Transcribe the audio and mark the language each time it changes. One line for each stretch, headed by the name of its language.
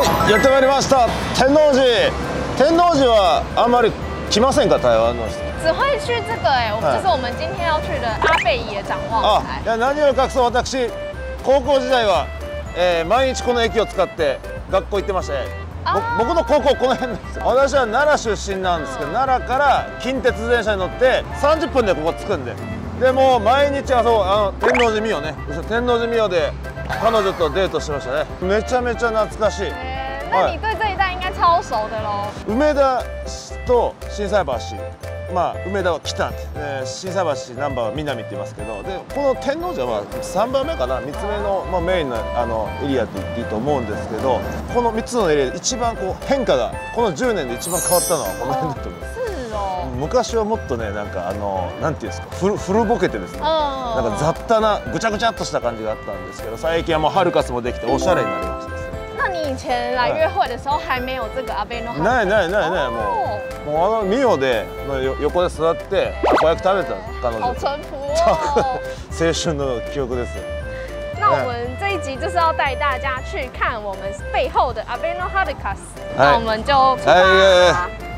Japanese: やってまいりました天王寺。天王寺はあんまり来ませんか台湾の人。
Chinese: 只会去这个哎，就是我们今天要去的阿倍野展望台。
Japanese: 啊，何を隠そう、私高校時代は毎日この駅を使って学校行ってましたね。僕の高校この辺です。私は奈良出身なんですけど、奈良から近鉄電車に乗って30分でここ着くんで、でも毎日はそう、あの天王寺美代ね、天王寺美代で彼女とデートしましたね。めちゃめちゃ懐かしい。
Chinese: 那你对这一带应该超熟的咯。
Japanese: 梅田と心斎橋、まあ梅田は北、心斎橋ナンバーは南って言いますけど、でこの天王寺は3番目かな、3つ目の、まあ、メイン の, あのエリアって言っていいと思うんですけど、この3つのエリアで一番こう変化がこの10年で一番変わったのはこの辺だと思います。昔はもっとね、なんかあのなんていうんですか、古ぼけてですね、なんか雑多なぐちゃぐちゃっとした感じがあったんですけど、最近はもうハルカスもできておしゃれになりました。
Chinese: 那你以前来约会的时候还没有这个阿倍野 HARUKAS？
Japanese: ないないないない、もうあのMiOで横で座ってこうやって食べた彼女。
Chinese: 好淳朴哦。
Japanese: 青春の記憶です。
Chinese: 那我们这一集就是要带大家去看我们背后的阿倍野HARUKAS。那我们就出发。哎呀，